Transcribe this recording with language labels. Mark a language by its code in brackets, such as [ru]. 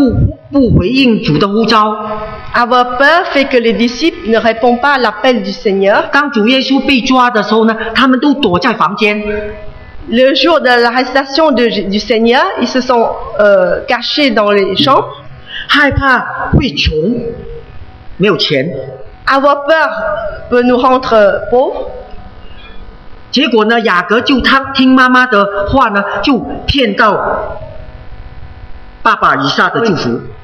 [zh] 害怕就让门徒呢不回应主的呼召。 [fr] Avoir peur fait que les disciples ne répondent pas à l'appel du Seigneur. [zh] 当主耶稣被抓的时候呢，他们都躲在房间。 [fr] Le jour de l'arrestation du Seigneur, ils se sont cachés dans les champs. [zh] 害怕会穷，没有钱。 [fr] Avoir peur peut nous rendre pauvres. [zh] 结果呢，雅各就他听妈妈的话呢，就骗到爸爸以撒的祝福。